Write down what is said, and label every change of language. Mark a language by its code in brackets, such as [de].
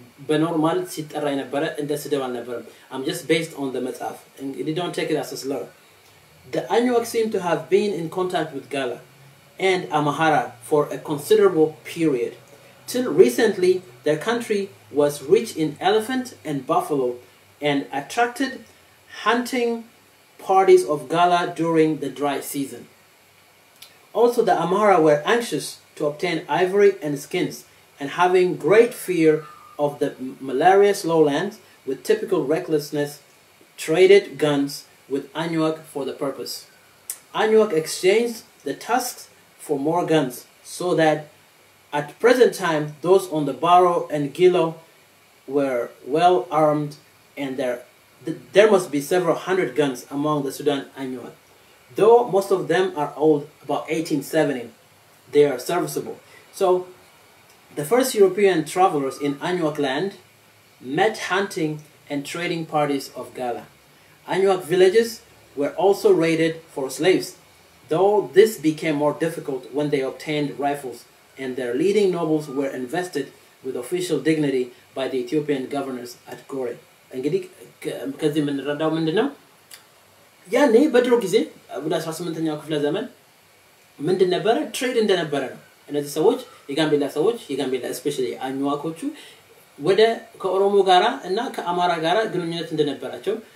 [am] በኖርማል ሲጠራ የነበረ እንደ ስደብ አልነበረም [en] I'm just based on the metaf and you don't take it as a slur The Anyuak seem to have been in contact with Gala and Amhara for a considerable period till recently their country was rich in elephant and buffalo and attracted hunting parties of Gala during the dry season. Also the Amhara were anxious to obtain ivory and skins and having great fear of the malarious lowlands with typical recklessness traded guns with Anyuak for the purpose. Anyuak exchanged the tusks for more guns so that at present time those on the Baro and Gilo were well armed and there must be several hundred guns among the Sudan Anyuak though most of them are old about 1870 they are serviceable so the first European travelers in Anyuak land met hunting and trading parties of Gala Anyuak villages were also raided for slaves, though this became more difficult when they obtained rifles and their leading nobles were invested with official dignity by the Ethiopian governors at Gore. [am] እንግዲህ ከዚህ ምንረዳው ምንድነው? ያኔ በድሮ ጊዜ በ18ኛው ክፍለ ዘመን ምንድን ነበር? ትሬድ እንደነበረ ነው። እነዚህ ሰዎች የጋምቤላ ሰዎች የጋምቤላ ስፔሻሊ አኝዋኮቹ ወደ ከኦሮሞ ጋራ እና ከአማራ ጋራ ግንኙነት እንደነበራቸው